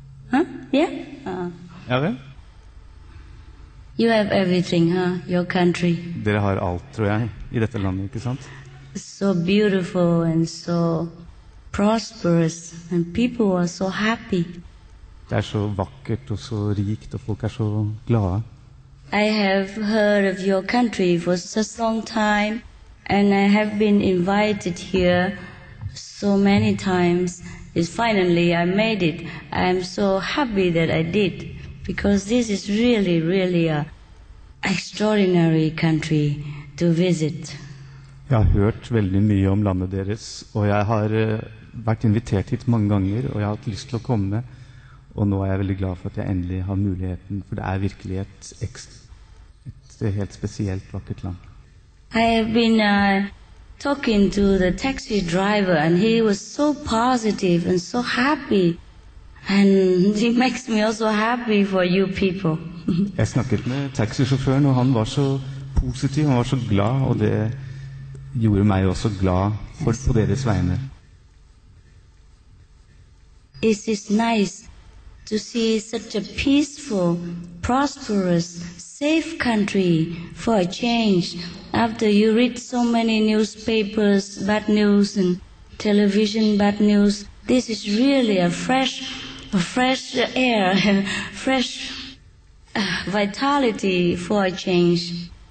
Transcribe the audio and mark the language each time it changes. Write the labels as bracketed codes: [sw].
[en] Huh? Yeah. [no] Ja vel? [en] You have everything, huh? Your country. [no] Dere har alt, tror jeg, i dette landet, ikke sant? [en] So beautiful and so prosperous, and people are so happy. [no] Det er så vakkert og så rikt, og folk er så glade. [en] I have heard of your country for such a long time, and I have been invited here so many times. It's finally I made it. I am so happy that I did, because this is really, really an extraordinary country to visit. [no] Jeg har hørt veldig mye om landet deres, og jeg har vært invitert hit mange ganger, og jeg har hatt lyst til å komme. Og nå er jeg veldig glad for at jeg endelig har muligheten, for det er virkelig et ekstra. Det er helt spesielt vakkert land. [en] I have been talking to the taxi driver, and he was so positive and so happy, and he makes me also happy for you people. [no] Jeg snakket med taxisjåføren, og han var så positiv, han var så glad, og det gjorde meg også glad for, på deres vegne. [en] It is nice to see such a peaceful, prosperous, safe country for a change. After you read so many newspapers, bad news, and television bad news, this is really a fresh air, fresh vitality for a change.